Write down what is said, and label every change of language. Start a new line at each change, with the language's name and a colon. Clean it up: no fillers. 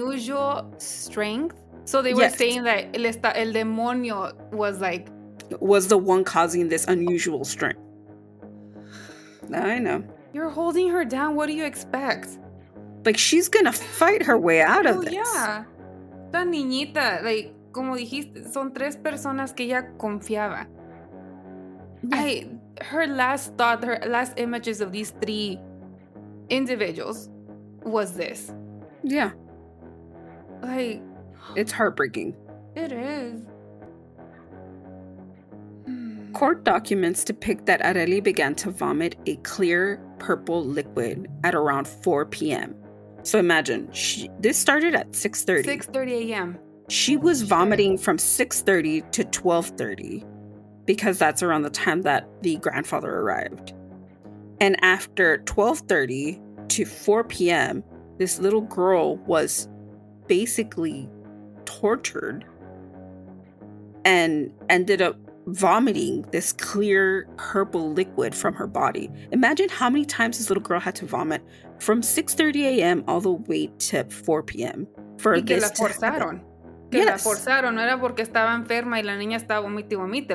English: Unusual strength? So they were saying that
Spanish: el demonio
English: was like... was the one causing this unusual strength. I know. You're holding her down. What do you expect? Like, she's gonna fight her way out of this. Yeah.
Spanish: Esta niñita, like, como dijiste, son tres personas que ella confiaba.
English: Yeah. Her last images of these three individuals was this. Yeah. Like, it's heartbreaking. It is. Court documents depict that Arely began to vomit a clear purple liquid at around 4 p.m. So imagine, this started at 6:30. 6:30 a.m. She was vomiting from 6:30 to 12:30 because that's around the time that the grandfather arrived. And after 12:30 to 4 p.m., this little girl was basically tortured and ended up vomiting this clear purple liquid from her body. Imagine how many times this little girl had to vomit from 6:30 a.m. all the way to 4 p.m.
Spanish: for y que this. La forzaron. Que yes. La forzaron. No era porque estaba enferma y la niña estaba vomite y vomite.